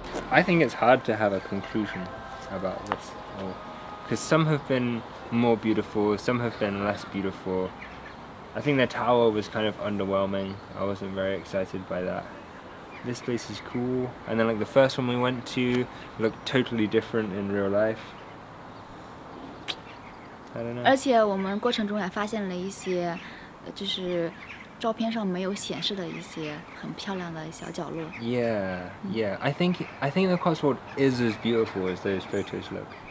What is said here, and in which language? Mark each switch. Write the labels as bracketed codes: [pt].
[en] I think it's hard to have a conclusion about this all, because some have been more beautiful, some have been less beautiful. I think the tower was kind of underwhelming. I wasn't very excited by that. This place is cool, and then like the first one we went to looked totally different in real life. I don't know. [zh] 而且我们过程中还发现了一些，就是。照片上没有显示的一些很漂亮的小角落。 [en] Yeah, I think the Cotswold is as beautiful as those photos look.